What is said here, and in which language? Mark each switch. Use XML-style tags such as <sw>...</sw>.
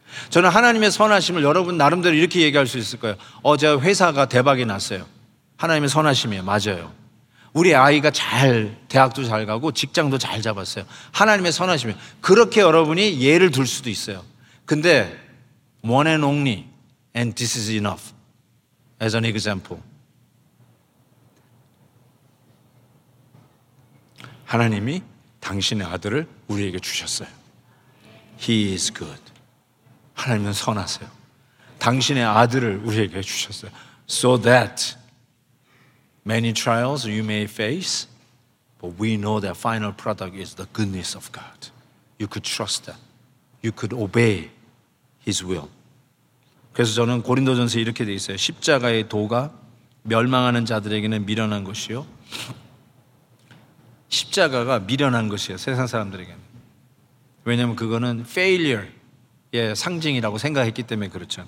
<ko>저는 하나님의 선하심을 여러분 나름대로 이렇게 얘기할 수 있을 거예요. 어제 회사가 대박이 났어요. 하나님의 선하심이에요. 맞아요. 우리 아이가 잘 대학도 잘 가고 직장도 잘 잡았어요. 하나님의 선하심이에요. 그렇게 여러분이 예를 들 수도 있어요. 근데</ko> <en>one and only and this is enough as an example.</en> <ko>하나님이 당신의 아들을 우리에게 주셨어요.</ko> <en>He is good.</en> <ko>하나님은 선하세요. 당신의 아들을 우리에게 주셨어요.</ko> <en>So that many trials you may face, but we know that final product is the goodness of God. You could trust that. You could obey His will.</en> <ko>그래서 저는 고린도전서에 이렇게 돼 있어요. 십자가의 도가 멸망하는 자들에게는 미련한 것이요. 십자가가 미련한 것이에요. 세상 사람들에게는. 왜냐하면 그거는 failure의 상징이라고 생각했기 때문에 그렇죠.</ko>